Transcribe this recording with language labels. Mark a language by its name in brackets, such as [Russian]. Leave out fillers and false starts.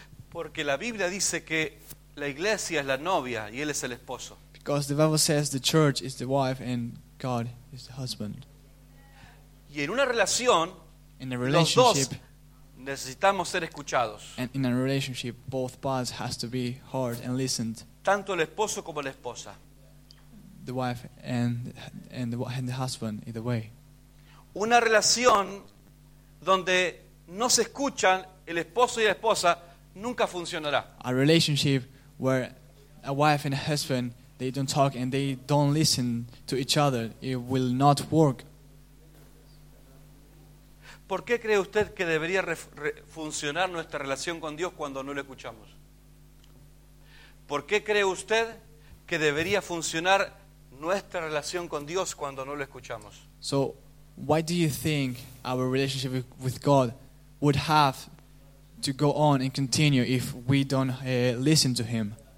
[Spanish] Porque la Biblia dice que la iglesia es la novia y él es el esposo. [English] Because the Bible says the church is the wife and God is the husband. [Spanish] Y en una relación, [English] in a relationship, [Spanish] los dos necesitamos ser escuchados. [English] And in a relationship, both parts has to be heard and listened. [Spanish] Tanto el esposo como la esposa. [English] The wife and the husband, either way. [Spanish] Una relación donde no se escuchan el esposo y la esposa nunca funcionará. [English] A relationship where a wife and a husband, they don't talk and they don't listen to each other, it will not work. [Spanish] ¿Por qué cree usted que debería funcionar nuestra relación con Dios cuando no lo escuchamos? ¿Por qué cree usted que debería funcionar nuestra relación con Dios cuando no lo escuchamos? [English] So, why do you think our relationship with God would have to go on and continue if we don't listen to him?